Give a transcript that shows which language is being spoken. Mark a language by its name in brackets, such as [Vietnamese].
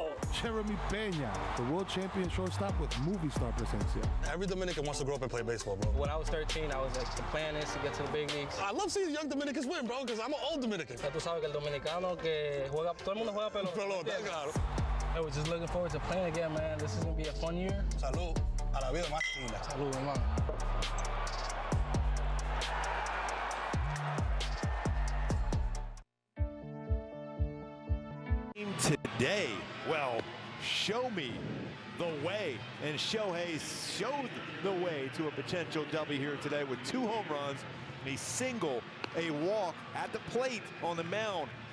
[English] Jeremy Peña, the world champion shortstop with movie star presencia. Every Dominican wants to grow up and play baseball, bro. When I was 13, I was like, the plan is to get to the big leagues. I love seeing young Dominicans win, bro, because I'm an old Dominican. [Spanish] Ya tú sabes que el dominicano que juega, todo el mundo juega pelota. Pelota, claro. [English] I was just looking forward to playing again, man. This is going to be a fun year. [Spanish] Salud a la vida, más linda. Salud, hermano. [English] Today, well, show me the way, and Shohei showed the way to a potential W here today with two home runs and a single, a walk at the plate on the mound.